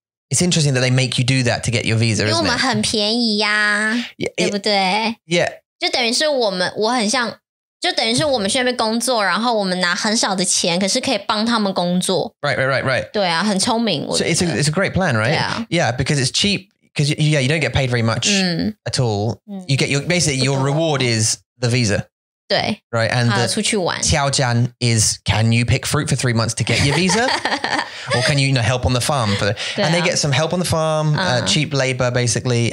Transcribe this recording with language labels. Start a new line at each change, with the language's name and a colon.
English: It's interesting that they make you do that to get your visa, isn't it?
Chinese: 因为我们很便宜呀，对不对？
English: Yeah.
Chinese: 就等于是我们，我很像，就等于是我们去那边工作，然后我们拿很少的钱，可是可以帮他们工作。
English: Right.
Chinese: 对啊，很聪明。
English: So it's a great plan, right? Yeah. Yeah, because it's cheap. Because you don't get paid very much at all. You get your basically your reward is the visa.
Chinese: 对,
English: right, and
Chinese: 他要出去玩。
English: Qiaojian is, can you pick fruit for 3 months to get your visa? Or can you, you know, help on the farm? For the, and they get some help on the farm, cheap labor, basically.